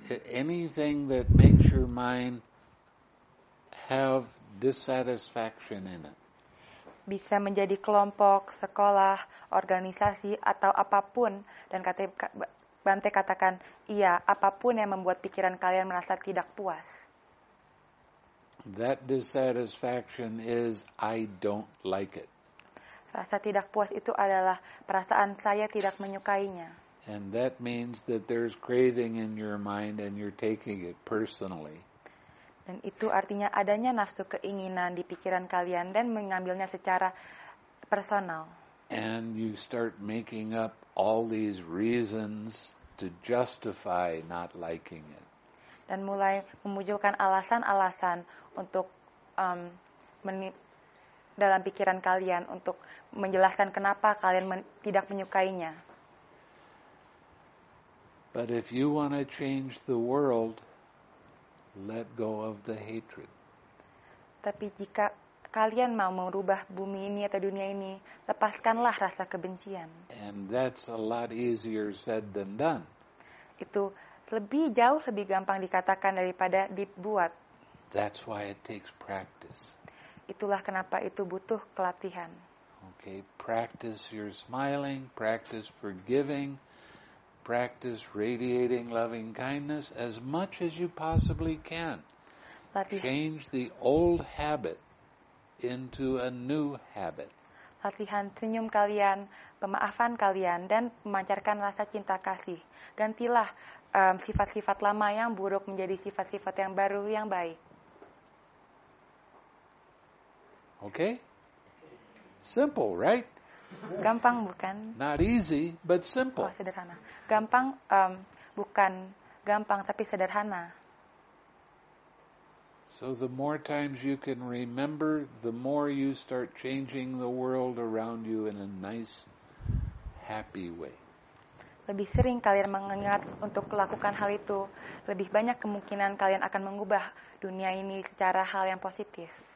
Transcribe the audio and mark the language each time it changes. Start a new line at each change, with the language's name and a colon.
English: Anything that makes your mind have dissatisfaction in it.
Indonesian: Bisa menjadi kelompok, sekolah, organisasi, atau apapun. Dan Bante katakan, iya, apapun yang membuat pikiran kalian merasa tidak puas.
English: That dissatisfaction is I don't like it.
Indonesian: Rasa tidak puas itu adalah perasaan saya tidak menyukainya.
English: And that means that there's craving in your mind and you're taking it personally.
Indonesian: Dan itu artinya adanya nafsu keinginan di pikiran kalian dan mengambilnya secara personal.
English: And you start making up all these reasons to justify not liking it.
Indonesian: Dan mulai memunculkan alasan-alasan untuk dalam pikiran kalian untuk menjelaskan kenapa kalian tidak menyukainya.
English: But if you want to change the world, let go of the hatred.
Indonesian: Tapi jika kalian mau merubah bumi ini atau dunia ini, lepaskanlah rasa kebencian.
English: And that's a lot easier said than done.
Indonesian: Itu lebih jauh lebih gampang dikatakan daripada dibuat.
English: That's why it takes practice.
Indonesian: Itulah kenapa itu butuh kelatihan.
English: Okay, practice your smiling, practice forgiving, practice radiating loving kindness as much as you possibly can. Change the old habit into a new habit.
Indonesian: Latihan senyum kalian, pemaafan kalian, dan memancarkan rasa cinta kasih. Gantilah sifat-sifat lama yang buruk menjadi sifat-sifat yang baru yang baik.
English: Okay? Simple, right?
Indonesian: Gampang bukan?
English: Not easy, but simple.
Indonesian: Oh, sederhana. Gampang bukan gampang tapi sederhana.
English: So the more times you can remember, the more you start changing the world around you in a nice, happy way.
Indonesian: Lebih sering kalian mengingat untuk melakukan hal itu, lebih banyak kemungkinan kalian akan mengubah dunia ini secara hal yang positif.